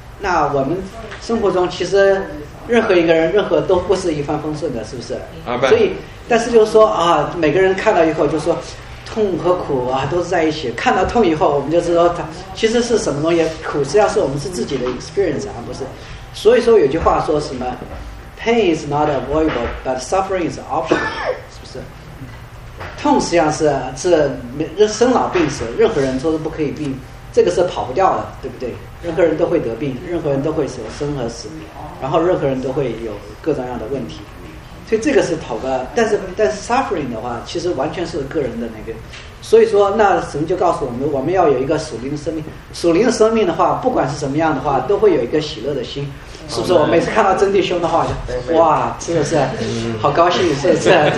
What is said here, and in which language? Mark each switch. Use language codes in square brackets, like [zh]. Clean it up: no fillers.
[zh] 那我们生活中其实任何一个人任何都不是一帆风顺的，是不是？所以但是就是说啊，每个人看到以后就说痛和苦啊都是在一起，看到痛以后我们就知道它其实是什么东西，苦实际上是我们是自己的 experience 啊，不是。所以说有句话说什么， [en] pain is not avoidable, but suffering is optional. [zh] 是不是？痛实际上是生老病死，任何人都不可以病，这个是跑不掉的，对不对？任何人都会得病，任何人都会死，生和死，然后任何人都会有各种各样的问题。所以这个是头个，但是 suffering 的话，其实完全是个人的那个，所以说那神就告诉我们，我们要有一个属灵的生命，属灵的生命的话，不管是什么样的话，都会有一个喜乐的心，是不是？我每次看到真弟兄的话，就哇，是不是？好高兴，是不是？